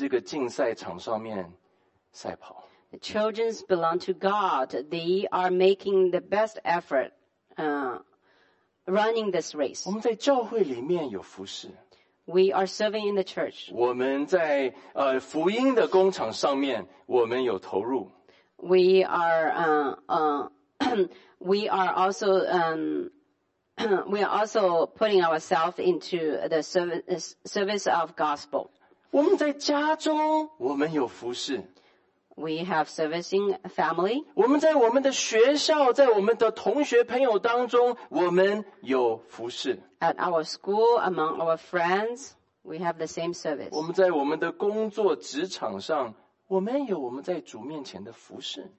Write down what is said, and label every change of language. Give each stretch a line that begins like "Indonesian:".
Chinese: 属神的儿女都是竭尽所能的在这个竞赛场上面赛跑。
English: The children belong to God. They are making the best effort, running this race.
Chinese: 我们在教会里面有服事。
English: We are serving in the church.
Chinese: 我们在, 福音的工厂上面, 我们有投入。
English: We are, we are also putting ourselves into the service of gospel.
Chinese: 我们在家中, 我们有服事。
English: We have servicing family.
Chinese: 我们在我们的学校, 在我们的同学朋友当中, 我们有服事。
English: At our school, among our friends, we have the same service.
Chinese: 我们在我们的工作, 职场上, 我们有我们在主面前的服事。